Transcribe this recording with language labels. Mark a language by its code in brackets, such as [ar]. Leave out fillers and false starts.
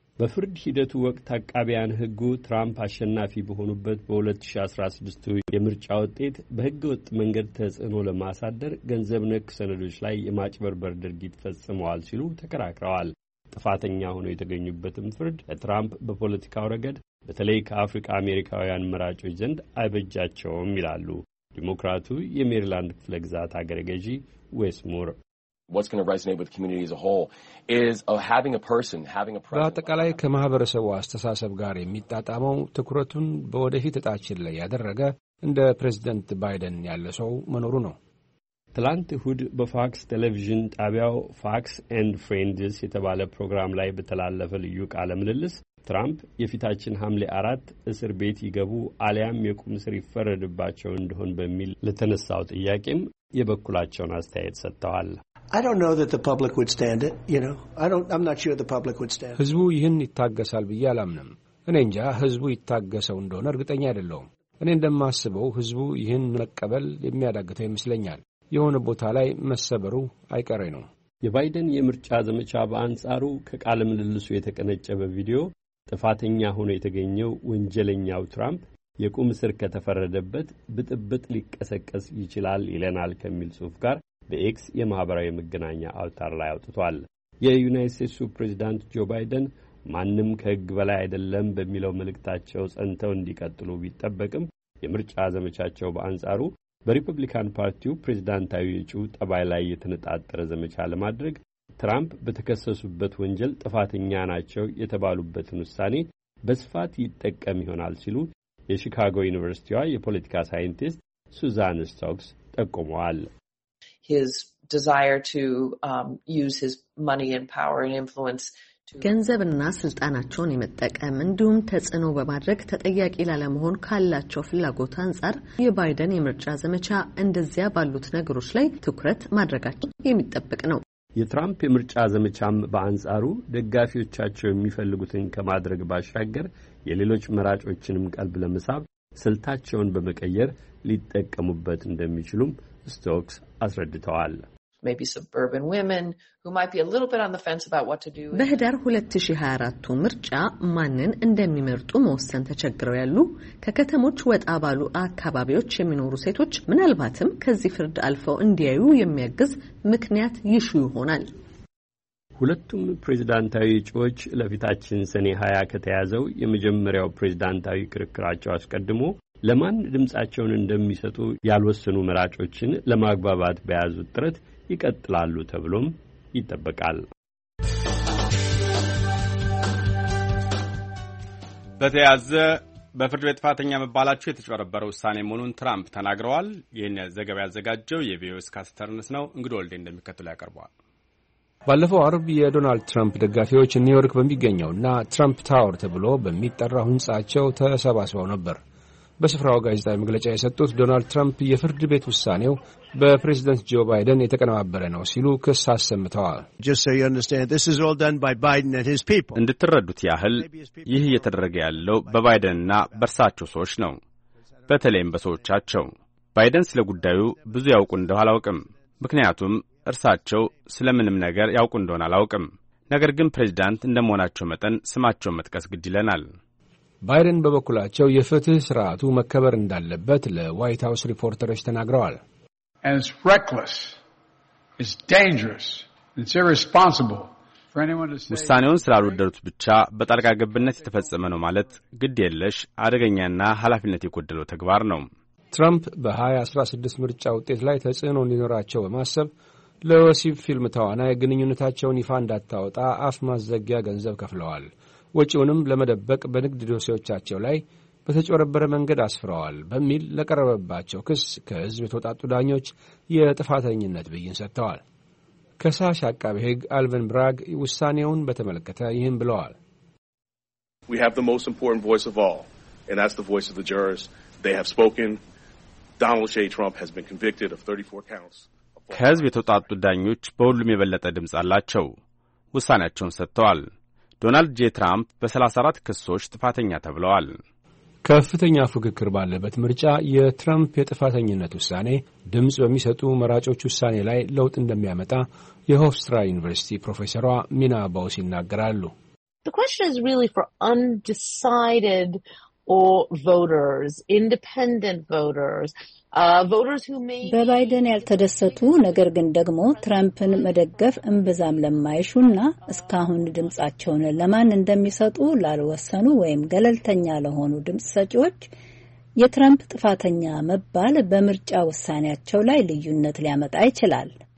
[am] በፍርድ ሂደቱ ወቅት አቃቢያን ህጉ ትራምፕ አሸናፊ በሆኑበት በ2016ቱ የምርጫ ውጤት በህገ ወጥ መንገድ ተጽዕኖ ለማሳደር ገንዘብ ነክ ሰነዶች ላይ የማጭበርበር ድርጊት ፈጽመዋል ሲሉ ተከራክረዋል። ጥፋተኛ ሆነው የተገኙበትም ፍርድ ለትራምፕ በፖለቲካው ረገድ በተለይ ከአፍሪካ አሜሪካውያን መራጮች ዘንድ አይበጃቸውም ይላሉ ዲሞክራቱ የሜሪላንድ ክፍለ ግዛት አገረ ገዢ ዌስ ሙር። [en] What's going to resonate with the community as a whole is having a person, having a presence. [am] በአጠቃላይ ከማህበረሰቡ አስተሳሰብ ጋር የሚጣጣመው ትኩረቱን በወደፊት እጣችን ላይ ያደረገ እንደ ፕሬዝዳንት ባይደን ያለ ሰው መኖሩ ነው። ትላንት እሁድ በፋክስ ቴሌቪዥን ጣቢያው ፋክስ ኤንድ ፍሬንድስ የተባለ ፕሮግራም ላይ በተላለፈ ልዩ ቃለ ምልልስ ትራምፕ የፊታችን ሐምሌ 4 እስር ቤት ይገቡ አሊያም የቁም እስር ይፈረድባቸው እንደሆን በሚል ለተነሳው ጥያቄም የበኩላቸውን አስተያየት ሰጥተዋል። [en] I don't know that the public would stand it, you know. I'm not sure the public would stand it. [am] ህዝቡ ይህን ይታገሳል ብዬ አላምንም። እኔ እንጃ ህዝቡ ይታገሰው እንደሆነ እርግጠኛ አይደለሁም። እኔ እንደማስበው ህዝቡ ይህን መቀበል የሚያዳግተው ይመስለኛል። የሆነ ቦታ ላይ መሰበሩ አይቀሬ ነው። የባይደን የምርጫ ዘመቻ በአንጻሩ ከቃለ ምልልሱ የተቀነጨበ ቪዲዮ ጥፋተኛ ሆኖ የተገኘው ወንጀለኛው ትራምፕ የቁም እስር ከተፈረደበት ብጥብጥ ሊቀሰቀስ ይችላል ይለናል ከሚል ጽሑፍ ጋር በኤክስ የማህበራዊ መገናኛ አውታር ላይ አውጥቷል። የዩናይትድ ስቴትስ ፕሬዚዳንት ጆ ባይደን ማንንም ከህግ በላይ አይደለም በሚለው መልእክታቸው ጸንተው እንዲቀጥሉ ቢጠበቅም የምርጫ ዘመቻቸው በአንጻሩ በሪፐብሊካን ፓርቲው ፕሬዚዳንታዊ እጩ ጠባይ ላይ የተነጣጠረ ዘመቻ ለማድረግ ትራምፕ በተከሰሱበት ወንጀል ጥፋተኛ ናቸው የተባሉበትን ውሳኔ በስፋት ይጠቀም ይሆናል ሲሉ የሺካጎ ዩኒቨርሲቲዋ የፖለቲካ ሳይንቲስት ሱዛን ስቶክስ ጠቁመዋል። [en] His desire to use his money and power and influence to [am] ገንዘብና ስልጣናቸውን የመጠቀም እንዲሁም ተጽዕኖ በማድረግ ተጠያቂ ለመሆን ካላቸው ፍላጎት አንጻር የባይደን የምርጫ ዘመቻ እንደዚያ ባሉት ነገሮች ላይ ትኩረት ማድረጋቸው የሚጠበቅ ነው። የትራምፕ የምርጫ ዘመቻም በአንጻሩ ደጋፊዎቻቸው የሚፈልጉትን ከማድረግ ባሻገር የሌሎች መራጮችንም ቀልብ ለመሳብ ስልታቸውን በመቀየር ሊጠቀሙበት እንደሚችሉም ስቶክስ አስረድተዋል። [en] Maybe suburban women who might be a little bit on the fence about what to do. [am] በህዳር 2024ቱ ምርጫ ማንን እንደሚመርጡ መወሰን ተቸግረው ያሉ ከከተሞች ወጣ ባሉ አካባቢዎች የሚኖሩ ሴቶች ምናልባትም ከዚህ ፍርድ አልፈው እንዲያዩ የሚያግዝ ምክንያት ይሹ ይሆናል። ሁለቱም ፕሬዝዳንታዊ እጩዎች ለፊታችን ሰኔ 20 ከተያዘው የመጀመሪያው ፕሬዝዳንታዊ ክርክራቸው አስቀድሞ ለማን ድምጻቸውን እንደሚሰጡ ያልወሰኑ መራጮችን ለማግባባት በያዙ ጥረት ይቀጥላሉ ተብሎም ይተበቃል። በተያዘ በፍርድ ቤት ፈተኛ መባላቸው የተጨረበረው ውሳኔ መሆኑን ትራምፕ ተናግረዋል። ይህን ዘገባ ያዘጋጀው የቪኦኤ ካስተርንስ ነው። እንግዶ ወልዴ እንደሚከተለው ያቀርባል። ባለፈው አርብ የዶናልድ ትራምፕ ደጋፊዎች ኒውዮርክ በሚገኘውና ትራምፕ ታወር ተብሎ በሚጠራው ህንጻቸው ተሰባስበው ነበር። በስፍራው ጋዜጣዊ መግለጫ የሰጡት ዶናልድ ትራምፕ የፍርድ ቤት ውሳኔው በፕሬዝዳንት ጆ ባይደን የተቀነባበረ ነው ሲሉ ክስ አሰምተዋል። [en] Just so you understand, this is all done by Biden and his people. [am] እንድትረዱት ያህል ይህ እየተደረገ ያለው በባይደንና በርሳቸው ሰዎች ነው፣ በተለይም በሰዎቻቸው። ባይደን ስለ ጉዳዩ ብዙ ያውቁ እንደው አላውቅም፣ ምክንያቱም እርሳቸው ስለምንም ነገር ያውቁ እንደሆነ አላውቅም። ነገር ግን ፕሬዝዳንት እንደመሆናቸው መጠን ስማቸው መጥቀስ ግድ ይለናል። ባይደን በበኩላቸው የፍትህ ስርዓቱ መከበር እንዳለበት ለዋይት ሃውስ ሪፖርተሮች ተናግረዋል። [en] It's reckless. It's dangerous. It's irresponsible for anyone to say [am] ውሳኔውን ስላልወደዱት ብቻ በጣልቃ ገብነት የተፈጸመ ነው ማለት ግድ የለሽ አደገኛና ኃላፊነት የጎደለው ተግባር ነው። ትራምፕ በ2016 ምርጫ ውጤት ላይ ተጽዕኖ ሊኖራቸው በማሰብ ለወሲብ ፊልም ተዋናይ ግንኙነታቸውን ይፋ እንዳታወጣ አፍ ማዘጊያ ገንዘብ ከፍለዋል። ወጪውንም ለመደበቅ በንግድ ዶሴዎቻቸው ላይ በተጨረበረ መንገድ አስፍረዋል በሚል ለቀረበባቸው ክስ ከህዝብ የተወጣጡ ዳኞች የጥፋተኝነት ብይን ሰጥተዋል። ከሳሽ አቃቤ ሕግ አልቨን ብራግ ውሳኔውን በተመለከተ ይህን ብለዋል። [en] We have the most important voice of all, and that's the voice of the jurors. They have spoken. Donald J. Trump has been convicted of 34 counts. [am] ከህዝብ የተወጣጡ ዳኞች በሁሉም የበለጠ ድምፅ አላቸው፣ ውሳኔያቸውን ሰጥተዋል። ዶናልድ ጄ ትራምፕ በ34 ክሶች ጥፋተኛ ተብለዋል። ከፍተኛ ፉክክር ባለበት ምርጫ የትራምፕ የጥፋተኝነት ውሳኔ ድምፅ በሚሰጡ መራጮች ውሳኔ ላይ ለውጥ እንደሚያመጣ የሆፍስትራ ዩኒቨርሲቲ ፕሮፌሰሯ ሚና ባውስ ይናገራሉ። [en] The question is really for undecided or voters, independent voters, voters who may [am] በባይደን ያልተደሰቱ ነገር ግን ደግሞ ትራምፕን መደገፍ እንብዛም ለማይሹና እስካሁን ድምጻቸውን ለማን እንደሚሰጡ ላልወሰኑ ወይም ገለልተኛ ለሆኑ ድምጽ ሰጪዎች የትራምፕ ጥፋተኛ መባል በመርጫ ወሳኔያቸው ላይ ልዩነት ሊያመጣ ይችላል።